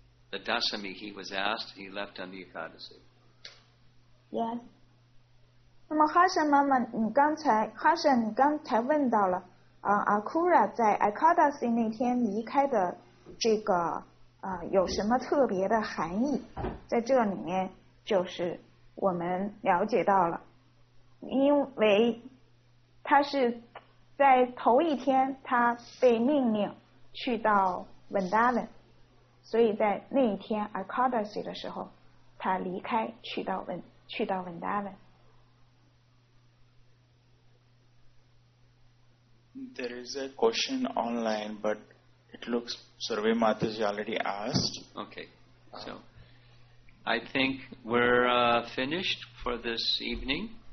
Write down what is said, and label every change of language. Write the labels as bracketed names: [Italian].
[English] the Dasami, he was asked, he left on the Ekadasi. Yes. [Chinese] 那么哈什妈妈,你刚才问到了, Akura 在 Ekadasi 那天离开的 这个有什么特别的含义在这里面就是我们了解到了因为他是在头一天他被命令去到文达文所以在那一天阿卡达西的时候他离开去到文达文 [English] There is a question online but it looks Survey Mataji already asked. Okay. So I think we're finished for this evening.